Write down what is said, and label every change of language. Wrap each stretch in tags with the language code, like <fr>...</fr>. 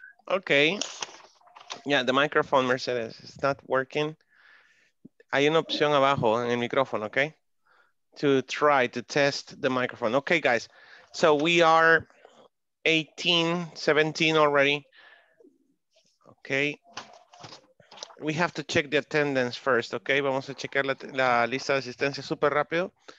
<en>Okay, yeah, the microphone, Mercedes, it's not working.</en> <es>Hay una opción abajo en el micrófono, okay?</es> <en>To try to test the microphone. Okay, guys, so we are 18, 17 already. Okay, we have to check the attendance first, okay?</en> <es>Vamos a checar la lista de asistencia super rápido.</es>